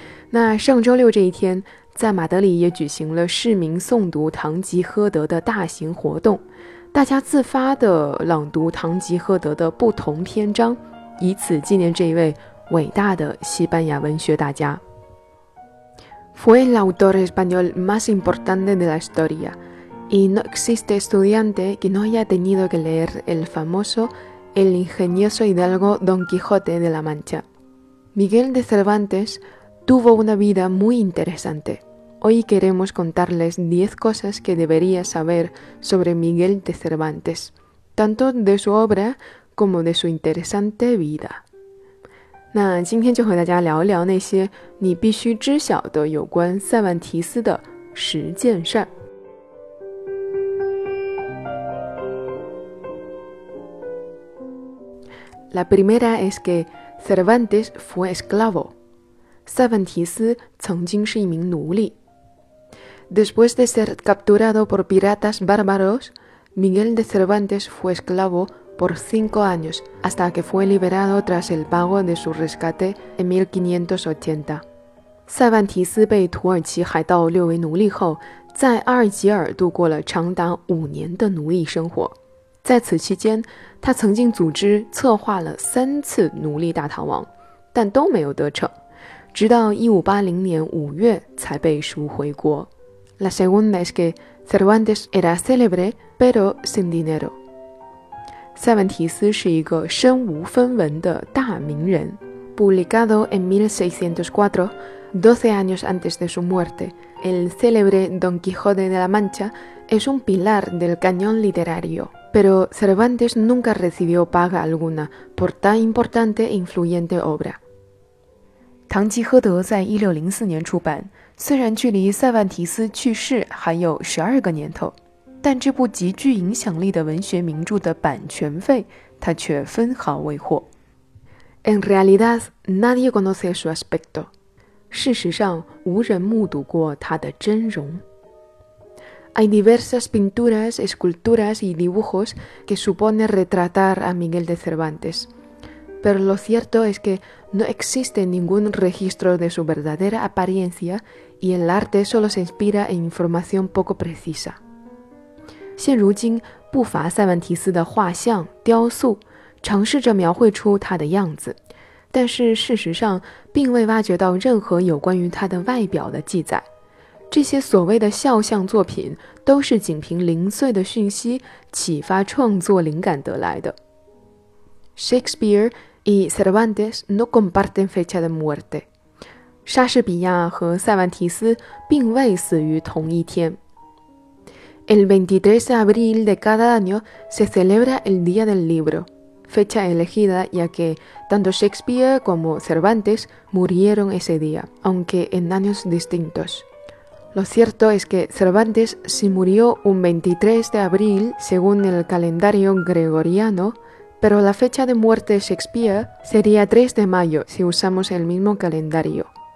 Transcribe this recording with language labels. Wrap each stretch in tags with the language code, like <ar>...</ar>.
<zh>那上周六这一天，在马德里也举行了市民诵读《堂吉诃德》的大型活动，大家自发地朗读《堂吉诃德》的不同篇章，以此纪念这一位伟大的西班牙文学大家。</zh> <es>Fue el autor español más importante de la historia. Y no existe estudiante que no haya tenido que leer el famoso El ingenioso Hidalgo Don Quijote de la Mancha. Miguel de Cervantes tuvo una vida muy interesante. Hoy queremos contarles 10 cosas que debería saber sobre Miguel de Cervantes, tanto de su obra como de su interesante vida.</es> <zh>那今天就和大家聊聊那些你必须知晓的有关塞万提斯的十件事儿。</zh> <es>La primera es que Cervantes fue esclavo.</es> <zh>塞万提斯曾经是一名奴隶。</zh> <es>Después de ser capturado por piratas bárbaros, Miguel de Cervantes fue esclavo por 5 años hasta que fue liberado tras el pago de su rescate en 1580.</es> <zh>塞万提斯被土耳其海盗列为奴隶后，在阿尔及尔度过了长达五年的奴隶生活。在此期间，他曾经组织策划了三次奴隶大逃亡，但都没有得逞，直到1580年5月才被赎回国。</zh> <es>La segunda es que Cervantes era célebre, pero sin dinero.</es> <zh>塞万提斯是一个身无分文的大名人。</zh> <es>Publicado en 1604, 12 años antes de su muerte, el célebre Don Quijote de la Mancha es un pilar del cañón literario. Pero Cervantes nunca recibió paga alguna por tan importante e influyente obra.</es> <zh>堂吉诃德在1604年出版，虽然距离塞万提斯去世还有12个年头，但这部极具影响力的文学名著的版权费他却分毫未获。</zh> <es>En realidad, nadie conoce su aspecto.</es> <zh>事实上，无人目睹过他的真容。</zh> <es>Hay diversas pinturas, esculturas y dibujos que supone retratar a Miguel de Cervantes. Pero lo cierto es que no existe ningún registro de su verdadera apariencia y el arte solo se inspira en información poco precisa.</es> <zh>现如今，不乏塞万提斯的画像、雕塑，尝试着描绘出他的样子，但是事实上，并未挖掘到任何有关于他的外表的记载。这些所谓的肖像作品都是仅凭零碎的讯息启发创作灵感得来的。</zh> <es>Shakespeare y Cervantes no comparten fecha de muerte.</es> <zh>莎士比亚和塞万提斯并未死于同一天。</zh> <es>El 23 de abril de cada año se celebra el Día del Libro, fecha elegida ya que tanto Shakespeare como Cervantes murieron ese día, aunque en años distintos. Lo cierto es que Cervantes sí murió un 23 de abril según el calendario gregoriano, pero la fecha de muerte de Shakespeare sería 3 de mayo si usamos el mismo calendario.</es>